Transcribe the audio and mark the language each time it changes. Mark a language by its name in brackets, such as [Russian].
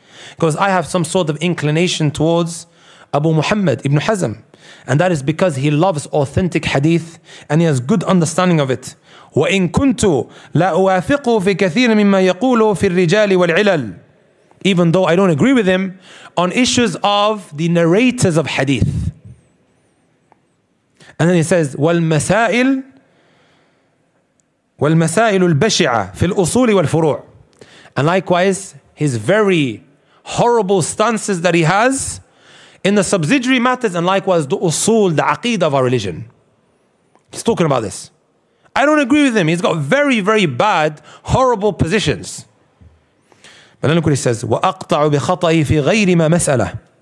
[English] Because I have some sort of inclination towards Abu Muhammad Ibn Hazm, and that is because he loves authentic hadith and he has good understanding of it. [Arabic] وَإِن كُنْتُ لَا أُوَافِقُهُ فِي كَثِيرٍ مِمَّا يَقُولُهُ فِي الرِّجَالِ وَالْعِلَلِ. [English] Even though I don't agree with him on issues of the narrators of hadith. And then he says, [Arabic] وَالْمَسَائِلُ الْبَشِعَةِ فِي الْأُصُولِ وَالْفُرُوعِ. [English] And likewise, his very horrible stances that he has in the subsidiary matters, and likewise the usul, the aqidah of our religion. He's talking about this. I don't agree with him. He's got very, very bad, horrible positions. But then look what he says, [Arabic] وَأَقْطَعُ بِخَطَئِهِ فِي غَيْرِ مَا مَسْأَلَهِ.